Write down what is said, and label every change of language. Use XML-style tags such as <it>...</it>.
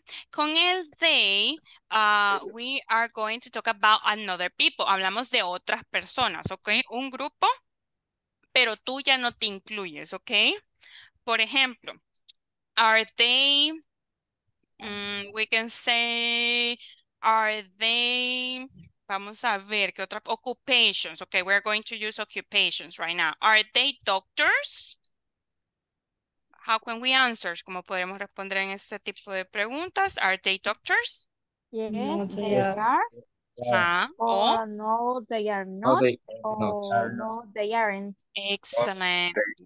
<es>Con el</es> <en>they, we are going to talk about another people.</en> <es>Hablamos de otras personas, ¿ok? Un grupo, pero tú ya no te incluyes, ¿ok? Por ejemplo,</es> <en>are they, we can say, are they...</en> <es>Vamos a ver, ¿qué otras?</es> <en>Occupations. Okay, we're going to use occupations right now. Are they doctors? How can we answer?</en> <es>¿Cómo podemos responder en este tipo de preguntas?</es> <en>Are they doctors? Yes, they are. Yeah. Oh, no, they are not. No, they aren't. Excellent.</en>